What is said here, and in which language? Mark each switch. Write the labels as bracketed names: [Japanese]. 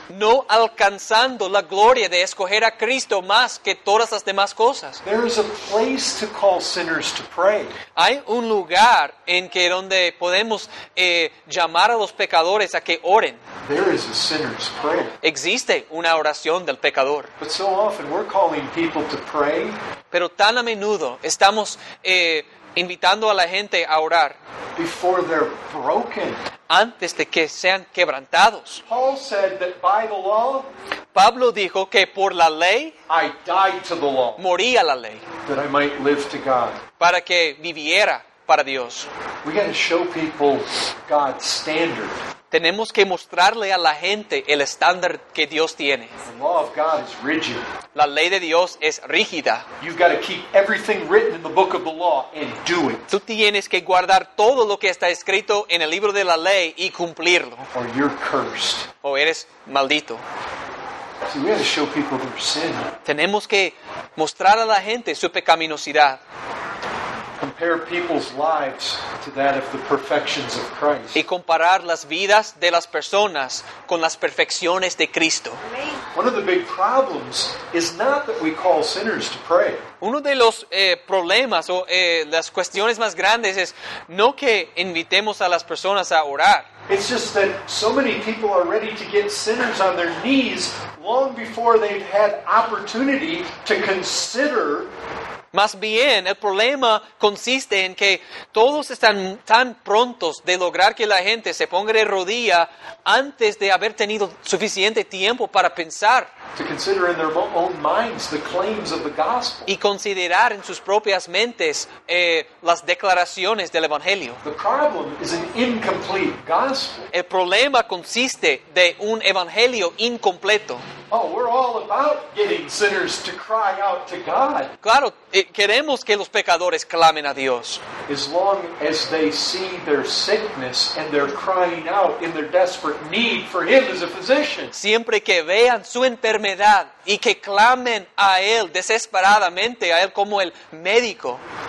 [Spanish] No alcanzando la gloria de escoger a Cristo más que todas las demás cosas. [English] There is a place to call sinners to pray. [Spanish] Hay un lugar en que donde podemos llamar a los pecadores a que oren. [English] There is a sinner's prayer. [Spanish] Existe una oración del pecador. [English] But so often we're calling people to pray. [Spanish] Pero tan a menudo estamos invitando a la gente a orar [English] before they're broken. [Spanish] Antes de que sean quebrantados. [English] Paul said that by the law, [Spanish] Pablo dijo que por la ley [English] I died to the law, [Spanish] morí a la ley [English] that I might live to God. [Spanish] Para que viviera para Dios. [English] We gotta show people God's standard. [Spanish] Tenemos que mostrarle a la gente el estándar que Dios tiene. [English] The law of God is rigid. [Spanish] La ley de Dios es rígida. [English] You've got to keep everything written in the book of the law and do it. [Spanish] Tú tienes que guardar todo lo que está escrito en el libro de la ley y cumplirlo. [English] Or you're cursed. [Spanish] O eres maldito. [English] See, we have to show people their sin. [Spanish] Tenemos que mostrar a la gente su pecaminosidad. [English] Compare people's lives to that of the perfections of Christ. [Spanish] Y comparar las vidas de las personas con las perfecciones de Cristo. [English] One of the big problems is not that we call sinners to pray. [Spanish] Uno de los problemas o las cuestiones más grandes es no que invitemos a las personas a orar. [English] It's just that so many people are ready to get sinners on their knees long before they've had opportunity to consider. [Spanish] Más bien, el problema consiste en que todos están tan prontos de lograr que la gente se ponga de rodilla antes de haber tenido suficiente tiempo para pensar. [English] To consider in their own minds the claims of the gospel. [Spanish] Y considerar en sus propias mentes las declaraciones del evangelio. [English] The problem is an incomplete gospel. [Spanish] El problema consiste de un evangelio incompleto. [English] Oh, we're all about getting sinners to cry out to God. [Spanish] Claro, queremos que los pecadores clamen a Dios. [English] As long as they see their sickness and they're crying out in their desperate need for Him as a physician. [Spanish] Siempre que vean su enfermedad y que clamen a Él desesperadamente, a Él como el médico.